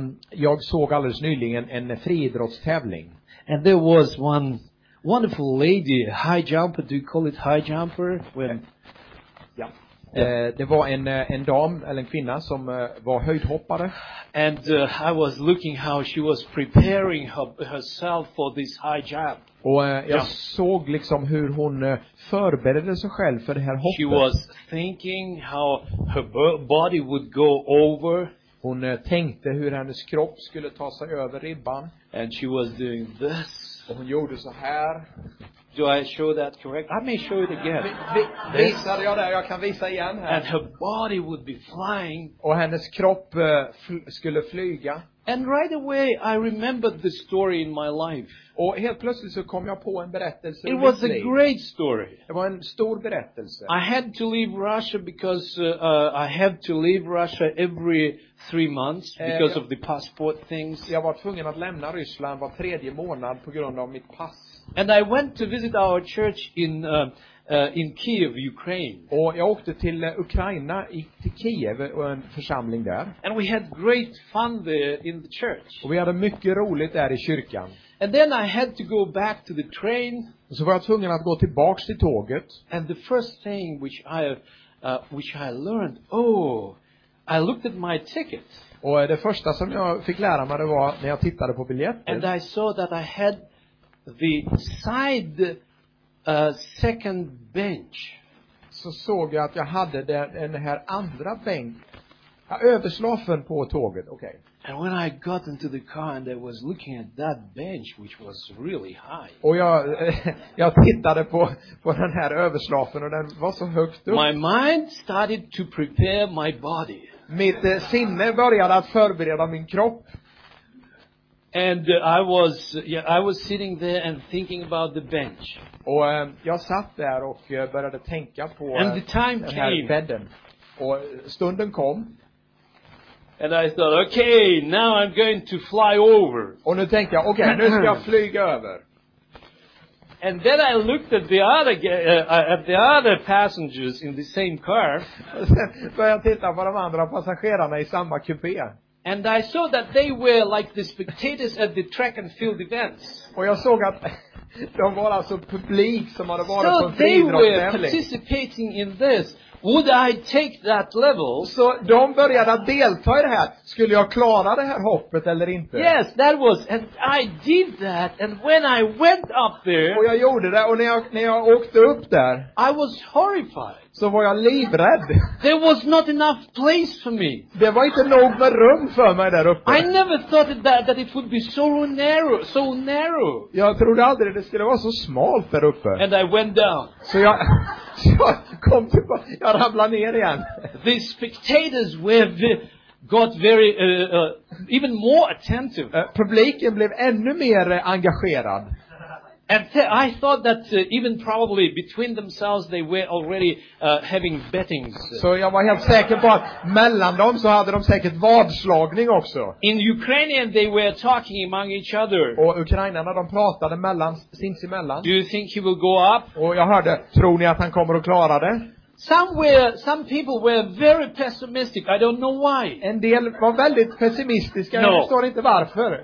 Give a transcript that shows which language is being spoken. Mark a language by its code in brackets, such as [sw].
[sv] Jag såg alldeles nyligen en friidrottstävling. [en] And there was one wonderful lady, high jumper. Do you call it high jumper? Yeah. [sv] Det var en dam eller en kvinna som var höjdhoppare. [en] And I was looking how she was preparing herself for this high jump. [sv] Och jag såg liksom hur hon förberedde sig själv för det här hoppet. [en] She was thinking how her body would go over. [sv] Hon tänkte hur hennes kropp skulle ta sig över ribban. [en] And she was doing this. [sv] Och hon gjorde så här. [en] Do I show that correct? I may show it again. [sv] Visade jag det? Jag kan visa igen här. [en] And her body would be flying. [sv] Och hennes kropp skulle flyga. [en] And right away I remembered the story in my life. [sv] Och helt plötsligt så kom jag på en berättelse. [en] It was a great story. [sv] Det var en stor berättelse. [en] I had to leave Russia because I had to leave Russia every 3 months because of the passport things. [sv] Jag var tvungen att lämna Ryssland var tredje månad på grund av mitt pass. [en] And I went to visit our church in Kiev, Ukraine. [sv] Och jag åkte till Ukraina till Kiev och en församling där. [en] And we had great fun there in the church. [sv] Och vi hade mycket roligt där i kyrkan. [en] And then I had to go back to the train. [sv] Och så var jag tvungen att gå tillbaks till tåget. [en] And the first thing which I learned, oh, I looked at my ticket. [sv] Och det första som jag fick lära mig det var när jag tittade på biljetten. [en] And I saw that I had the side second bench. [sv] Så såg jag att jag hade den här andra bänk. Överslafen på tåget. Okay. [en] And when I got into the car and I was looking at that bench which was really high. [sv] Och jag tittade på den här överslafen och den var så högt upp. [en] My mind started to prepare my body. [sv] Mitt sinne började att förbereda min kropp. [en] And I was sitting there and thinking about the bench. [sv] Och jag satt där och började tänka på [en] and the time [sv] den här [en] came. [sv] Bädden. Och stunden kom. [en] And I thought, okay, now I'm going to fly over. [sv] Och nu tänkte jag, okej, nu ska jag flyga över. [en] And then I looked at the other passengers in the same car. [sv] Så jag tittade på de andra passagerarna i samma kupé. [en] And I saw that they were like the spectators at the track and field events. [sv] Och jag såg att de var alltså publik som hade varit [en] so [sv] på friidrottstävling. [en] So they were participating in this. Would I take that level? [sv] Så de började att delta i det här. Skulle jag klara det här hoppet eller inte? [en] Yes, that was. And I did that. And when I went up there. [sv] Och jag gjorde det. Och när jag åkte upp där. [en] I was horrified. [sv] Så var jag livrädd. [en] There was not enough place for me. [sv] Det var inte nog med rum för mig där uppe. [en] I never thought that it would be so narrow. [sv] Jag trodde aldrig det skulle vara så smalt där uppe. [en] And I went down. [sv] Så jag ramlade ner igen. [en] The spectators got very even more attentive. [sv] Publiken blev ännu mer engagerad. [en] And I thought that even probably between themselves they were already having bettings. [sv] Så jag var helt säker på att mellan dem så hade de säkert vadslagning också. [en] In Ukrainian they were talking among each other. [sv] Och ukrainarna de pratade mellan sinsemellan. [en] Do you think he will go up? [sv] Och jag hörde, tror ni att han kommer att klara det? [en] Some people were very pessimistic. I don't know why. [sv] En del var väldigt pessimistiska. [en] No. [sv] Jag förstår inte varför.